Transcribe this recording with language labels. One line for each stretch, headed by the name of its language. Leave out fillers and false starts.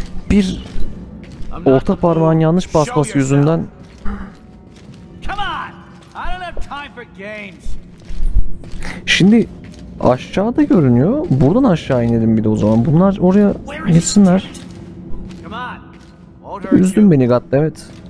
Turkish: Bir orta parmağın yanlış basması yüzünden.
English: Come on. I don't have time for games.
Turkish: Şimdi aşağıda görünüyor. Buradan aşağı inelim bir de o zaman. Bunlar oraya gitsinler. Üzdün beni Gatt, evet.